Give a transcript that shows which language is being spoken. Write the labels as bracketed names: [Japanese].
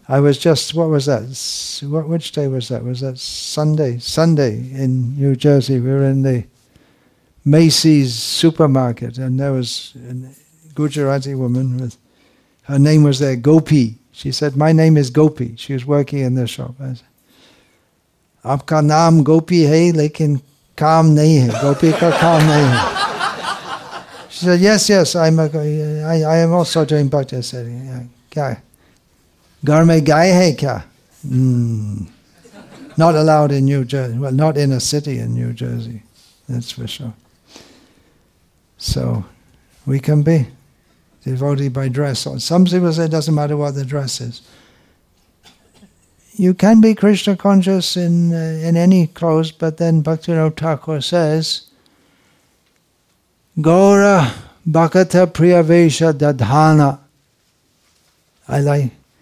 [English] I was just, what was that? Which day was that? Was that Sunday? Sunday in New Jersey. We were in the Macy's supermarket and there was a Gujarati woman with, her name was there, Gopi. She said, my name is Gopi. She was working in the shop. I said, [Hindi] आपका नाम गोपी है, लेकिन काम नही है। गोपी का काम नही है। [English] She said, yes, yes, I am also doing bhakti. I said, yeah. [Hindi] Kya? घर में गाय है क्या? [English] Not allowed in New Jersey. Well, not in a city in New Jersey. That's for sure. So, we can be devotee by dress. Some people say it doesn't matter what the dress is. You can be Krishna conscious in any clothes, but then Bhaktivinoda Thakur says, [Sanskrit] Gaura Bhakata Priyavesha Dadhana.